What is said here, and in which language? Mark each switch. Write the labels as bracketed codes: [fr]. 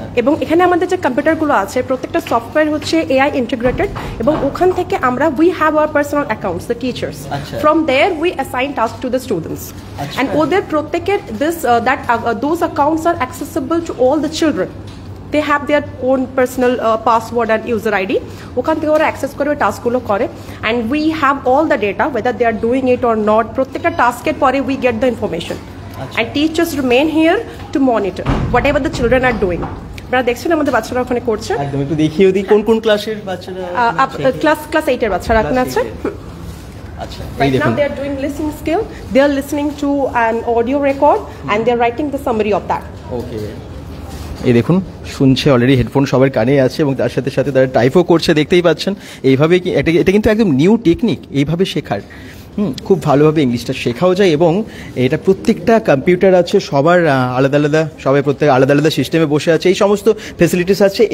[bn] এবং এখানে আমাদের যে কম্পিউটারগুলো আছে প্রত্যেকটা সফটওয়্যার হচ্ছে AI ইন্টিগ্রেটেড, এবং ওখান থেকে আমরা [en] we have our personal accounts the teachers, from there we assign task to the students and [bn] ওদের প্রত্যেকের [en] this that those accounts are accessible to all the children, they have their own personal password and user ID, [bn] ওখান থেকে ওরা access করে ওই টাস্কগুলো করে, [en] And we have all the data whether they are doing it or not. [bn] প্রত্যেকটা টাস্কের পরে [en] We get the information and teachers remain here to monitor whatever the children are doing. [bn] আপনারা দেখছেন আমাদের বাচ্চারা ওখানে করছে, একদম একটু দেখিয়ে দিই কোন কোন ক্লাসের বাচ্চারা, ক্লাস 8 এর বাচ্চারা এখানে আছে। [en] Right now they are doing listening skill, they are listening to an audio record and they are writing the summary of that. Okay. [bn] এই দেখুন, শুনছে অলরেডি, হেডফোন সবার কানেই আছে, এবং তার সাথে সাথে তারা টাইপও করছে, দেখতেই পাচ্ছেন। এইভাবে এটা কিন্তু একদম নিউ টেকনিক এইভাবে শেখার। খুব ভালোভাবে ইংলিশটা শেখাও যায়, এবং এটা প্রত্যেকটা কম্পিউটার আছে সবার আলাদা আলাদা, সবাই প্রত্যেক আলাদা আলাদা সিস্টেমে বসে আছে, এই সমস্ত ফেসিলিটিস আছে।